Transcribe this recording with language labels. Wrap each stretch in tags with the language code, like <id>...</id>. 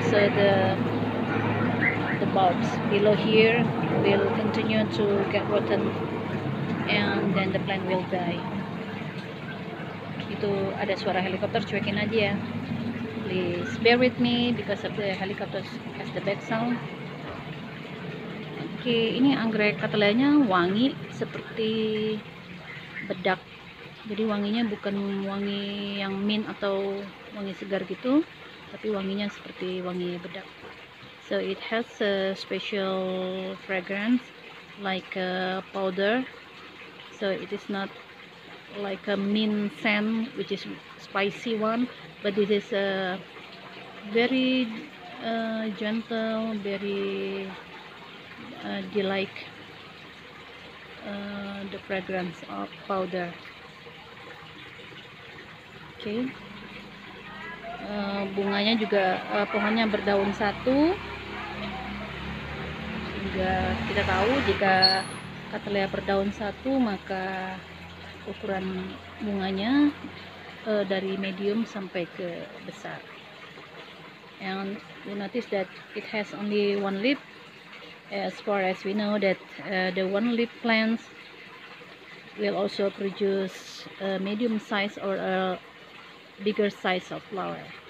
<en>Also the bulbs below here will continue to get rotten, and then the plant will die.</en> <id>Itu ada suara helikopter, cuekin aja ya.</id> <en>Please bear with me because of the helicopter has the back sound.</en> <id>Oke, ini anggrek Cattleya-nya wangi seperti bedak. Jadi wanginya bukan wangi yang mint atau wangi segar gitu, tapi wanginya seperti wangi bedak.</id> <en>So it has a special fragrance like a powder. So it is not like a mint scent which is spicy one, but this is a very gentle, very delight the fragrance of powder.</en> <id>Okay, bunganya juga pohonnya berdaun satu, sehingga kita tahu jika Cattleya berdaun satu maka ukuran bunganya dari medium sampai ke besar.</id> <en>And you notice that it has only one leaf. As far as we know that the one leaf plants will also produce a medium size or a bigger size of flower.</en>